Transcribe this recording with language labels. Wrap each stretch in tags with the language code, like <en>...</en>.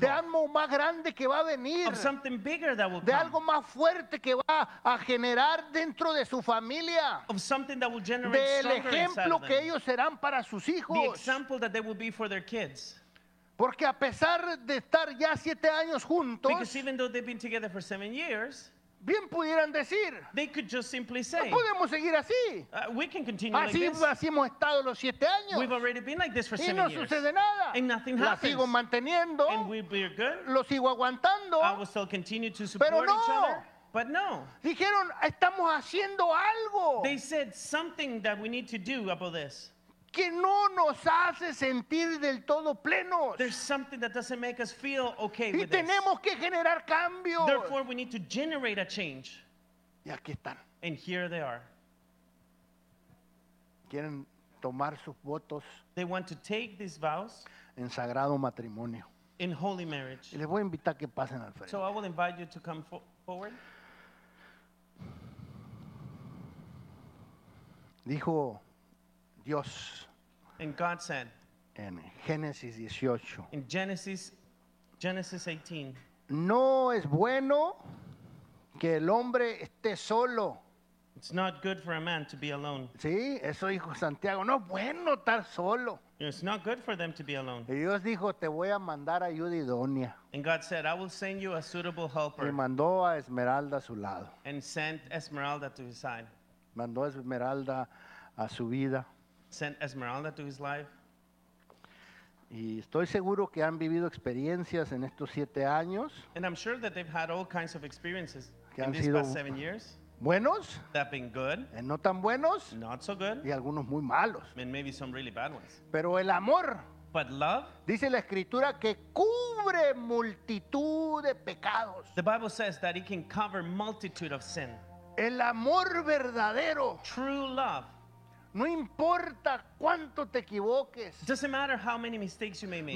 <es>de algo más grande que va a venir,</es> <en>of something bigger that will</en> <es>de</es> <en>come.</en> <es>Algo más fuerte que va a generar dentro de su familia,</es> <en>of something that will generate</en> <es>del</es> <en>stronger</en> <es>ejemplo</es> <en>inside</en> <es>que</es> <en>them.</en> <es>Ellos serán para sus hijos.</es> <en>The example that they will be for their kids.</en> <es>Porque a pesar de estar ya 7 años juntos,</es> <en>because even though they've been together for 7 years,</en> <es>Bien pudieran decir.</es> <en>They could just simply say.</en> <es>No podemos seguir así.</es> <en>We can continue</en> <es>así,</es> <en>like this.</en> <es>Así hemos estado los siete años.</es> <en>We've already been like this for 7 years.</en> <es>Y no sucede nada.</es> <en>And nothing happens.</en> <es>La sigo manteniendo.</es> <en>And we're good.</en> <es>Lo sigo aguantando.</es> <en>I will still continue to support each other. But no.</en> <es>Dijeron, estamos haciendo algo.</es> <en>They said something that we need to do about this.</en> <es>Que no nos hace sentir del todo plenos.</es> <en>There's something that doesn't make us feel okay with this.</en> <es>Y tenemos que generar cambios.</es> <en>Therefore, we need to generate a change.</en> <es>Y aquí están.</es> <en>And here they are.</en> <es>Quieren tomar sus votos.</es> <en>They want to take these vows.</en> <es>En sagrado matrimonio.</es> <en>In holy marriage.</en> <es>Y les voy a invitar que pasen al frente.</es> <en>So I will invite you to come forward.</en> <es>Dijo Dios.</es> <en>And God said,</en> <es>en Génesis 18.</es> <en>In Genesis 18.</en> <es>No es bueno que el hombre esté solo.</es> <en>It's not good for a man to be alone.</en> <es>Sí, eso dijo Santiago. No es bueno estar solo.</es> <en>It's not good for them to be alone.</en> <es>Y Dios dijo, te voy a mandar ayuda idónea.</es> <en>And God said, I will send you a suitable helper.</en> <es>Y mandó a Esmeralda a su lado.</es> <en>And sent Esmeralda to his side.</en> <es>Mandó a Esmeralda a su vida.</es> <en>Sent Esmeralda to his life.</en> <es>Y estoy seguro que han vivido experiencias en estos siete años.</es> <en>And I'm sure that they've had all kinds of experiences in these past 7 years.</en> <es>Buenos.</es> <en>That been good.</en> <es>Y no tan buenos.</es> <en>Not so good.</en> <es>Y algunos muy malos.</es> <en>And maybe some really bad ones.</en> <es>Pero el amor.</es> <en>But love.</en> <es>Dice la escritura que cubre multitud de pecados.</es> <en>The Bible says that it can cover multitude of sin.</en> <es>El amor verdadero.</es> <en>True love.</en> <es>No importa cuánto te equivoques.</es> <en>Doesn't matter how many mistakes you may make.</en>